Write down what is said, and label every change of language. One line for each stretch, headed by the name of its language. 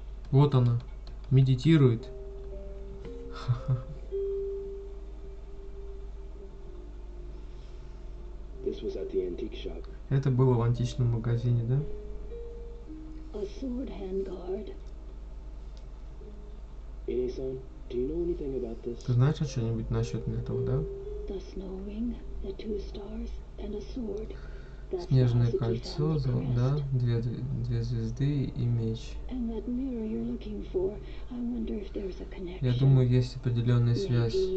Russian: Вот она, медитирует.
English: This was at the antique shop.
Russian: Это было в античном магазине, да?
English: A sword handguard. Ine-san, do you know anything about this?
Russian: Ты знаешь что-нибудь насчет этого, да?
English: The snow ring, the two stars, and a sword.
Russian: Снежное кольцо, да, две звезды и меч. Я думаю, есть определенная связь.